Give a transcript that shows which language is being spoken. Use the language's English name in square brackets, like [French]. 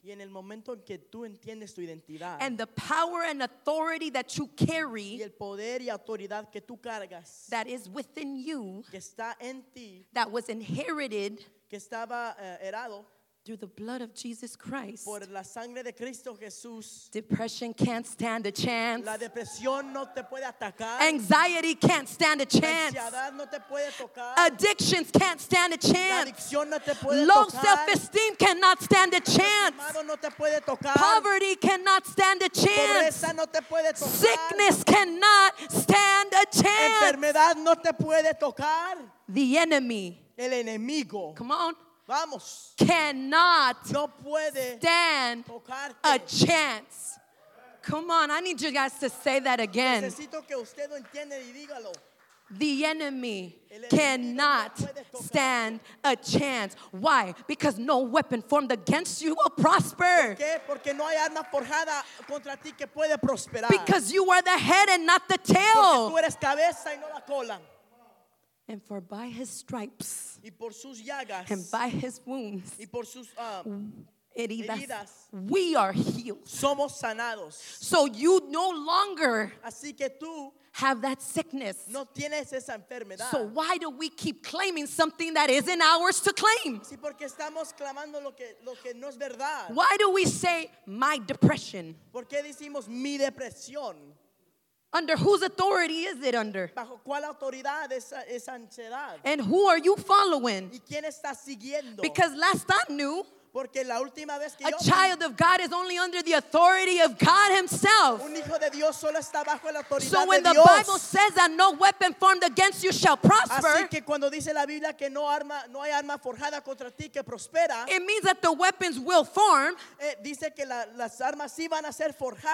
[Spanish] y en el momento en que tú entiendes tu identidad, [English] and the power and authority that you carry, [Spanish] y el poder y autoridad que tú cargas, [English] that is within you, [Spanish] que está en ti, [English] that was inherited, [Spanish] que estaba herado, [English] through the blood of Jesus Christ, [Spanish] por la sangre de Cristo Jesús, [English] depression can't stand a chance. [Spanish] La depresión no te puede atacar. [English] Anxiety can't stand a chance. [Spanish] La ansiedad no te puede tocar. [English] Addictions can't stand a chance. [Spanish] La adicción no te puede [English] low [Spanish] tocar. [English] Self-esteem cannot stand a chance. [Spanish] La no te puede tocar. [English] Poverty cannot stand a chance. [Spanish] Pobreza no te puede tocar. [English] Sickness cannot stand a chance. [Spanish] Enfermedad no te puede tocar. [English] The enemy. [Spanish] El enemigo. [English] Come on. [Spanish] Vamos. [English] Cannot [Spanish] no puede [English] stand [Spanish] tocarte [English] a chance. Come on, I need you guys to say that again. [Spanish] Necesito que usted lo entienda y dígalo. [English] The enemy cannot stand a chance. Why? Because no weapon formed against you will prosper. [Spanish] ¿Por qué? Porque no hay arma forjada contra ti que puede prosperar. [English] Because you are the head and not the tail. [Spanish] Porque tú eres cabeza y no la cola. [English] And for by his stripes [Spanish] y por sus llagas, [English] and by his wounds [Spanish] y por sus, heridas, [English] we are healed. [Spanish] Somos sanados. [English] So you no longer [Spanish] así que tú [English] have that sickness. [Spanish] No tienes esa enfermedad. [English] So why do we keep claiming something that isn't ours to claim? [Spanish] Sí, porque estamos clamando lo que no es verdad. [English] Why do we say my depression? [Spanish] ¿Por qué decimos mi depresión? [English] Under whose authority is it under? [Spanish] ¿Bajo cuál autoridad esa ansiedad? [English] And who are you following? [Spanish] ¿Y quién está siguiendo? [English] Because last I knew, [Spanish] porque la última vez que [English] a child of God is only under the authority of God himself. [Spanish] Un hijo de Dios solo está bajo la autoridad [English] so when [Spanish] de [English] the [Spanish] Dios. [English] Bible says that no weapon formed against you shall prosper, [Spanish] así que cuando dice la Biblia que no hay arma forjada contra ti que prospera, [English] it means that the weapons will form, [Spanish] dice que las armas sí van a ser forjadas,